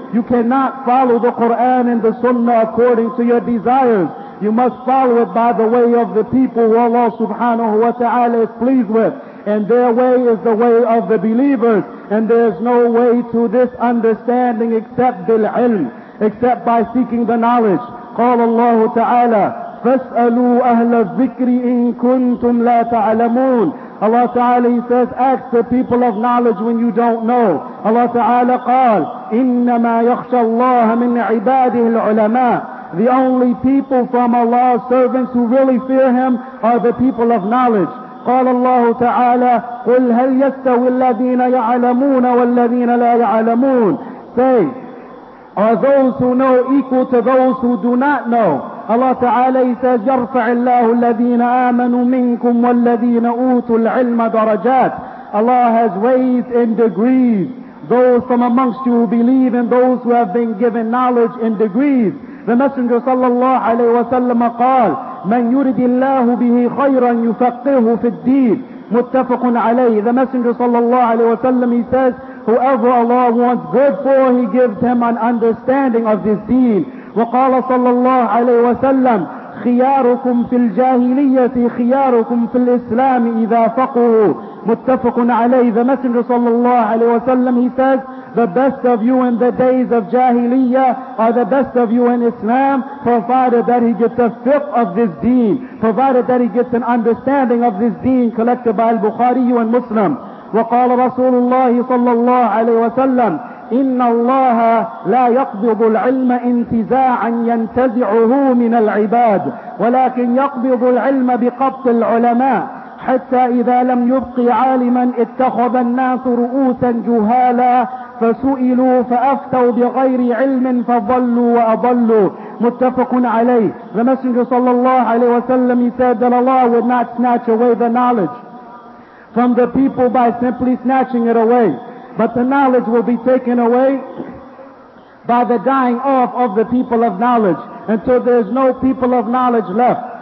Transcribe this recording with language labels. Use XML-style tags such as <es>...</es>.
<en>You cannot follow the Quran and the Sunnah according to your desires. You must follow it by the way of the people who Allah subhanahu wa ta'ala is pleased with. And their way is the way of the believers. And there's no way to this understanding except bil-ilm, except by seeking the knowledge.</en> <ar>Qala Allah ta'ala, فَاسْأَلُوا أَهْلَ الذِّكْرِ إِن كُنْتُمْ لَا تَعْلَمُونَ.</ar> <en>Allah Ta'ala, he says, ask the people of knowledge when you don't know.</en> <ar>Allah Ta'ala قال, إِنَّمَا يَخْشَى اللَّهَ مِنْ عِبَادِهِ الْعُلَمَاءِ.</ar> <en>The only people from Allah's servants who really fear him are the people of knowledge.</en> <ar>قال الله تعالى, قُلْ هَلْ يَسْتَوِي الَّذِينَ يَعْلَمُونَ وَالَّذِينَ لَا يَعْلَمُونَ.</ar> <en>Say, are those who know equal to those who do not know? Allah Ta'ala says,</en> <ar>يَرْفَعِ اللَّهُ الَّذِينَ آمَنُوا مِنْكُمْ وَالَّذِينَ أُوتُوا الْعِلْمَ دَرَجَاتٍ.</ar> <en>Allah has raised in degrees those from amongst you who believe and those who have been given knowledge in degrees. The Messenger</en> <ar>sallallahu alayhi wa sallam قال, مَنْ يُرِدِ اللَّهُ بِهِ خَيْرًا يُفَقِّهُ فِي الدِّينِ. مُتَّفَقٌ عَلَيْهِ.</ar> <en>The Messenger sallallahu alayhi wa sallam, he says, whoever Allah wants good for, he gives him an understanding of this deen.</en> <ar>وقال صلى الله عليه وسلم خياركم في الجاهلية خياركم في الإسلام إذا فقه. متفق عليه.</ar> <en>The Messenger</en> <ar>صلى الله عليه وسلم,</ar> <en>he says, the best of you in the days of Jahiliyyah are the best of you in Islam, provided that he gets a fiqh of this deen, provided that he gets an understanding of this deen collected by Al-Bukhari and Muslim.</en> <ar>وقال رسول الله صلى الله عليه وسلم إن الله لا يقبض العلم انتزاعا ينتزعه من العباد ولكن يقبض العلم بقبض العلماء حتى إذا لم يبق عالما اتخذ الناس رؤوسا جهالا فسئلوا فأفتوا بغير علم فضلوا وأضلوا. متفق عليه.</ar> <en>The Messenger</en> <ar>صلى الله عليه وسلم,</ar> <en>he said that Allah would not snatch away the knowledge from the people by simply snatching it away, but the knowledge will be taken away by the dying off of the people of knowledge until there's no people of knowledge left.</en>